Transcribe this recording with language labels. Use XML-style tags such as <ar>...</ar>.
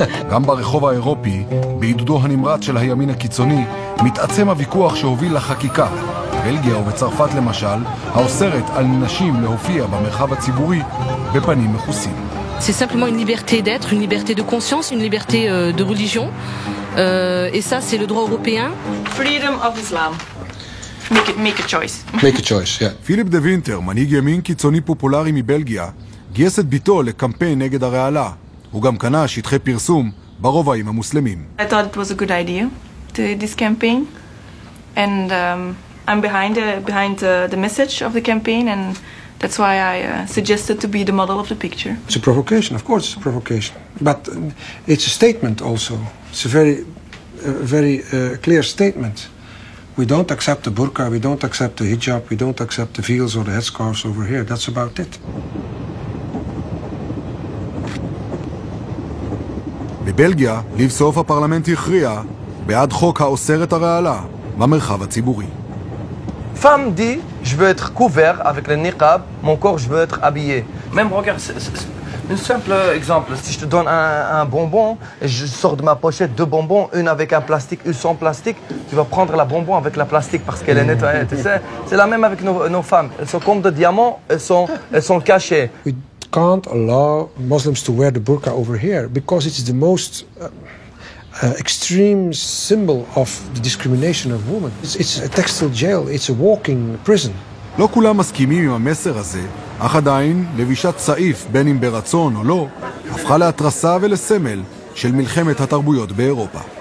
<he>גם ברחוב האירופי, בעידודו הנמרץ של הימין הקיצוני, מתעצם הוויכוח שהוביל לחקיקה. בלגיה ובצרפת למשל, האוסרת על נשים להופיע במרחב הציבורי בפנים מכוסים.</he> <fr>C'est simplement une liberté d'être, une liberté de conscience, une liberté de religion. Et ça, c'est le droit européen.</fr> <en>Freedom of Islam. Make a choice, yeah.</en> <he>פיליפ דה וינטר, מנהיג ימין קיצוני פופולרי מבלגיה, גייס את ביתו לקמפיין נגד הרעלה. הוא גם קנה שטחי פרסום ברובעים המוסלמים.</he> <en>I thought it was a good idea to this campaign and I'm behind the message of the campaign and that's why I suggested to be the model of the picture. It's a provocation, of course it's a provocation, but it's a statement also. It's a very clear statement. We don't accept the burqa, we don't accept the hijab, we don't accept the veils or the headscarves over here. That's about it.</en> <he>בבלגיה, לבסוף הפרלמנט הכריע בעד חוק האוסר את הרעלה במרחב הציבורי.</he> <fr>Femme dit, je veux être couvert avec le niqab, mon corps je veux être habillé. Même regarde, c'est un simple exemple. Si je te donne un bonbon, je sors de ma pochette deux bonbons, une avec un plastique, une sans plastique, tu vas prendre la bonbon avec la plastique parce qu'elle est nettoyée, tu sais. C'est la même avec nos femmes. Elles sont comme des diamants, elles sont cachées.</fr> <en>Can't allow Muslims to wear the burqa over here because it's the most extreme symbol of the discrimination of women. It's a textile jail, it's a walking prison.</en> <he>לא כולם מסכימים עם המסר הזה, אך עדיין לבישת צעיף, בין אם ברצון או לא, הפכה להתרסה ולסמל של מלחמת התרבויות באירופה.</he>